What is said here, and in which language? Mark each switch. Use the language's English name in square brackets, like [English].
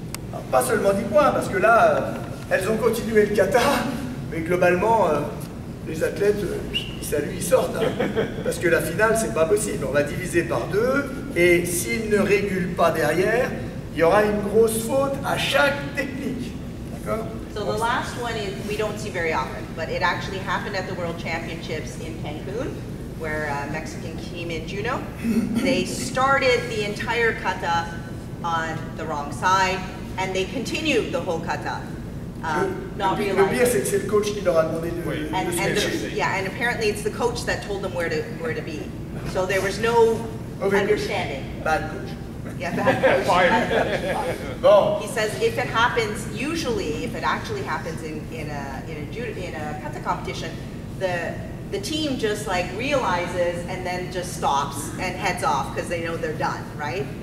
[French] Alors, pas seulement 10 points, parce que là, elles ont continué le kata, mais globalement, les athlètes, ils saluent, ils sortent. Hein, parce que la finale, c'est pas possible. On va diviser par deux, et s'ils ne régulent pas derrière, il y aura une grosse faute à chaque technique. D'accord ? [English] So the last one is, we don't see very often, but it actually happened at the World Championships in Cancun, where Mexican team in Juno, they started the entire kata on the wrong side, and they continued the whole kata. [French] Le pire, c'est le coach qui leur a demandé de switcher. [English] Yeah, and apparently it's the coach that told them where to be. So there was no understanding. Bad coach. Yeah, bad coach. [French] Bon. [English] He says if it happens, usually if it actually happens in a kata competition, the team just like realizes and then just stops and heads off because they know they're done, right?